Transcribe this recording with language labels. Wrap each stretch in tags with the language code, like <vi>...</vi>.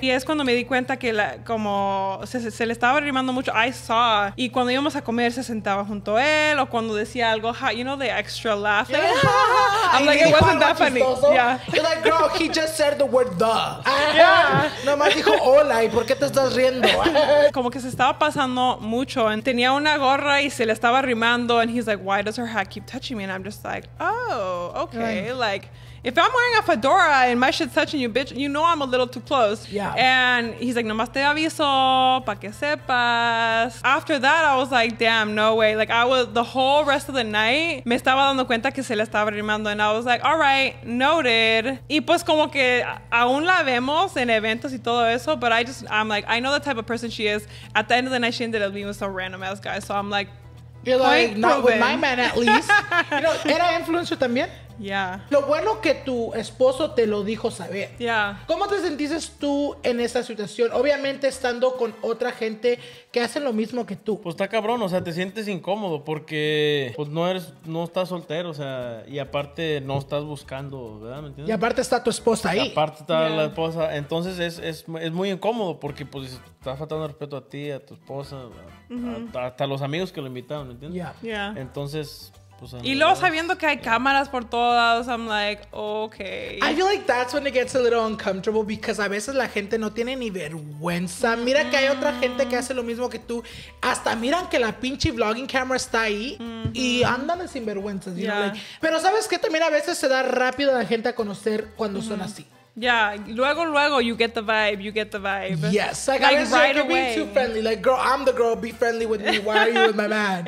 <es>Y es cuando me di cuenta que se le estaba arrimando mucho.</es> <en>I saw.</en> <es>Y cuando íbamos a comer, se sentaba junto a él. O cuando decía algo,</es> <en>you know, the extra laugh. Like, I'm like, it wasn't that funny. You're like, girl, he just said the word the.</en> <es>Nomás dijo hola, ¿y por qué te estás riendo? Como que se estaba pasando mucho. Tenía una gorra y se le estaba rimando,</es> <en>and he's like, why does her hat keep touching me? And I'm just like, oh, okay. Right. Like, if I'm wearing a fedora and my shit's touching you, bitch, you know I'm a little too close. Yeah. And he's like,</en> <es>nomás te aviso, pa' que sepas.</es> <en>After that, I was like, damn, no way. Like, the whole rest of the night,</en> <es>me estaba dando cuenta que se le estaba rimando.</es> <en>And I was like, all right, noted.</en> <es>Y pues como que aún la vemos en eventos y todo eso,</es> <en>but I'm like, I know the type of person she is. At the end of the night, she ended up being with some random ass guy. So I'm like, you're like, not with my man at least. You know,</en> <es>era influencer también.</es> <en>Yeah.</en> <es>Lo bueno que tu esposo te lo dijo saber.</es> <en>Yeah.</en> <es>¿Cómo te sentiste tú en esa situación? Obviamente estando con otra gente que hace lo mismo que tú. Pues está cabrón, o sea, te sientes incómodo porque pues no estás soltero, o sea, y aparte no estás buscando, ¿verdad? ¿Me entiendes? Y aparte está tu esposa ahí. Y aparte está la esposa. Entonces es muy incómodo porque pues está faltando respeto a ti, a tu esposa, hasta los amigos que lo invitaron, ¿me entiendes?</es> <en>Yeah.</en> <es>Entonces... pues, y luego sabiendo que hay cámaras por todos lados,</es> <en>I'm like, okay. I feel like that's when it gets a little uncomfortable because</en> <es>a veces la gente no tiene ni vergüenza. Mira que hay otra gente que hace lo mismo que tú. Hasta miran que la pinche vlogging camera está ahí y andan de sinvergüenzas.</es> <en>You know, like.</en> <es>Pero ¿sabes qué? También a veces se da rápido a la gente a conocer cuando son así.</es> <en>Yeah,</en> <es>luego</es> <en>you get the vibe. Yes, like I'm right away. Being too friendly, like, girl, I'm the girl, be friendly with me, why are you with my man?</en>